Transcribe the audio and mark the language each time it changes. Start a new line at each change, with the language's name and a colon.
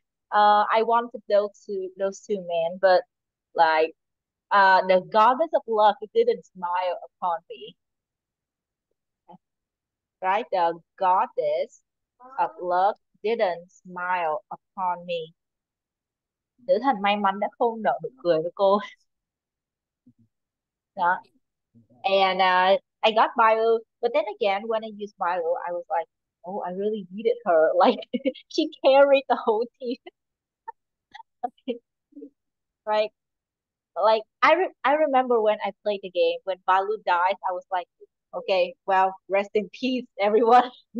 English: I wanted those two men, but like, the goddess of luck didn't smile upon me. Right? The goddess of luck didn't smile upon me.
Vietnamese: Nữ thần may mắn đã không nở nụ cười với cô đó.
English: And I got Bio, but then again when I used Bio, I was like, oh, I really needed her, like she carried the whole team. Right? Like I remember when I played the game, when Balu dies, I was like, okay, well, rest in peace everyone.